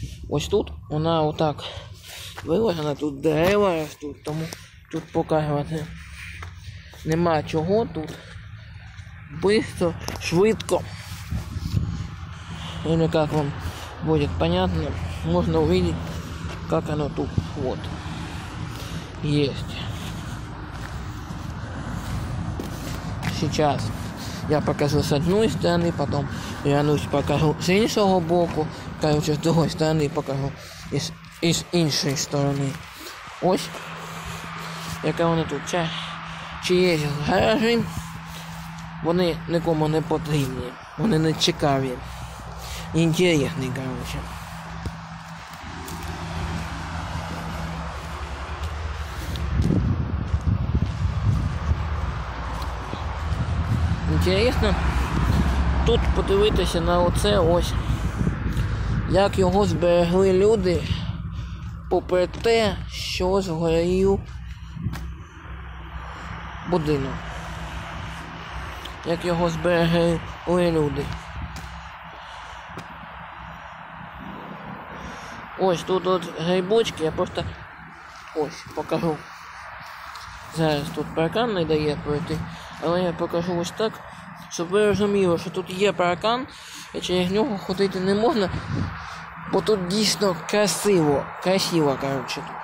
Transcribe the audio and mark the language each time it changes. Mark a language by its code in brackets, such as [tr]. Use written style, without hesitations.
[uk] Ось тут вона отак виложена, тут дерева ростуть, тому тут показувати нема чого, тут швидко. Ну як вам [ru] будет понятно, можно увидеть, как оно тут вот есть. Сейчас я покажу с одной стороны, потом вернусь, покажу [uk] с иншого боку, [ru] короче, с другой стороны покажу из иншей стороны. [uk] Ось, яка вона тут, чи є гаражі, вони нікому не потрібні, вони не цікаві, інтересні, короче. Інтересно тут подивитися на оце ось, як його зберегли люди, попри те, що згорів будинок. Як його зберегли люди. Ось тут от грибочки, я просто ось покажу. Зараз тут паркан не дає пройти, але я покажу ось так, щоб ви розуміли, що тут є паркан, і через нього ходити не можна. Бо тут дійсно красиво, красиво, короче.